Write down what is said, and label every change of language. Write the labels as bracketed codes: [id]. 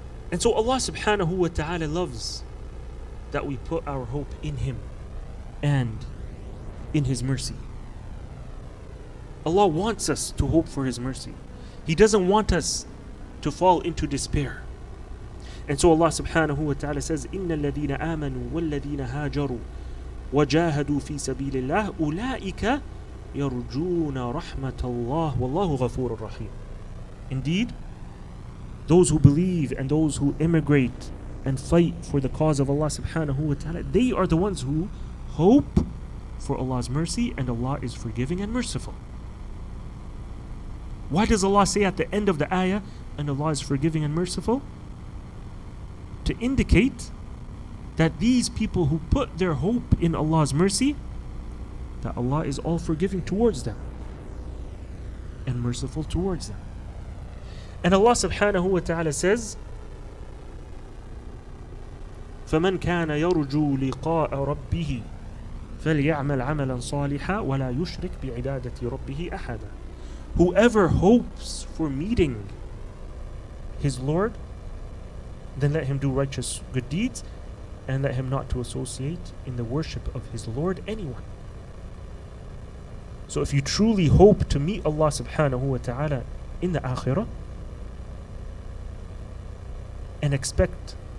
[en] And so Allah subhanahu wa ta'ala loves that we put our hope in him and in his mercy. Allah wants us to hope for his mercy. He doesn't want us to fall into despair. And so Allah subhanahu wa ta'ala says, [ar] إِنَّ الَّذِينَ آمَنُوا وَالَّذِينَ هَاجَرُوا وَجَاهَدُوا فِي سَبِيلِ اللَّهِ أُولَٰئِكَ يَرْجُونَ رَحْمَةَ اللَّهِ وَاللَّهُ غَفُورٌ رَحِيمٌ. [en] Indeed, those who believe and those who immigrate and fight for the cause of Allah subhanahu wa ta'ala, they are the ones who hope for Allah's mercy, and Allah is forgiving and merciful. Why does Allah say at the end of the ayah, and Allah is forgiving and merciful? To indicate that these people who put their hope in Allah's mercy, that Allah is all forgiving towards them and merciful towards them. And Allah subhanahu wa ta'ala says, [ar] فَمَنْ كَانَ يَرُجُوا لِقَاءَ رَبِّهِ فَلْيَعْمَلْ عَمَلًا صَالِحًا وَلَا يُشْرِكْ بِعِبَادَةِ رَبِّهِ أَحَدًا. [en] Whoever hopes for meeting his Lord, then let him do righteous good deeds, and let him not to associate in the worship of his Lord anyone. So if you truly hope to meet Allah subhanahu wa ta'ala in the akhirah, and expect